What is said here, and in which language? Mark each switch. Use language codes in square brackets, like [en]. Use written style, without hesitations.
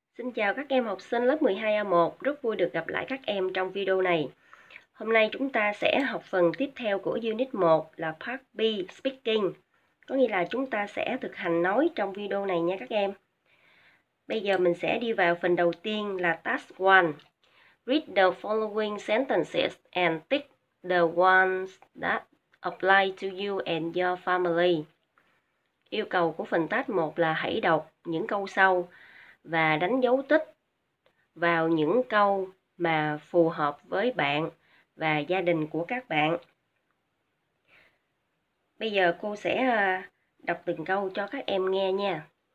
[vi] Xin chào các em học sinh lớp 12A1, rất vui được gặp lại các em trong video này. Hôm nay chúng ta sẽ học phần tiếp theo của Unit 1 là Part B Speaking, có nghĩa là chúng ta sẽ thực hành nói trong video này nha các em. Bây giờ mình sẽ đi vào phần đầu tiên là Task 1. [en] Read the following sentences and tick the ones that apply to you and your family. [vi] Yêu cầu của phần Task 1 là hãy đọc những câu sau và đánh dấu tích vào những câu mà phù hợp với bạn và gia đình của các bạn. Bây giờ cô sẽ đọc từng câu cho các em nghe nha.